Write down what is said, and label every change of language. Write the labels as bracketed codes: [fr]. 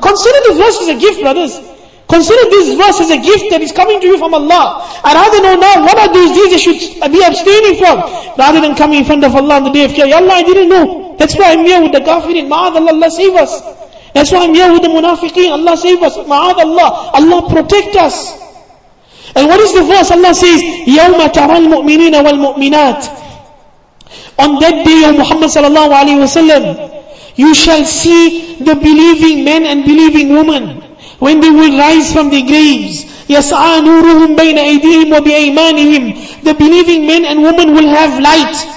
[en] Consider this verse as a gift, brothers. Consider this verse as a gift that is coming to you from Allah. I rather know now what are those deeds you should be abstaining from, rather than coming in front of Allah on the day of Qiyamah. Ya Allah, I didn't know. That's why I'm here with the ghafirin. Ma'adallah, Allah save us. That's why I'm here with the munafiqeen. Allah save us. Ma'adallah, Allah protect us. And what is the verse? Allah says, [ar] يَوْمَ تَرَى الْمُؤْمِنِينَ وَالْمُؤْمِنَاتِ. [en] On that day, O Muhammad sallallahu alayhi wa sallam, you shall see the believing men and believing women when they will rise from their graves. [ar] يَسْعَى نُورُهُمْ بَيْنَ أَيْدِيهِمْ وَبِأَيْمَانِهِمْ. [en] The believing men and women will have light.